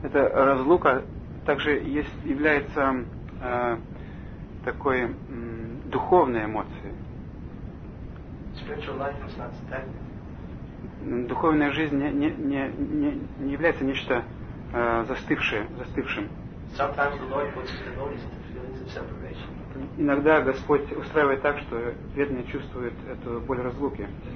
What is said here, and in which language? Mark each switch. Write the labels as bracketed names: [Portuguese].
[Russian] Это разлука также есть, является такой духовной эмоцией. [English] Spiritual life is not static. [Russian] Духовная жизнь не является нечто застывшим. [English] Sometimes the Lord puts his devotees into feelings of separation. [Russian] Иногда Господь устраивает так, что преданный чувствует эту боль разлуки.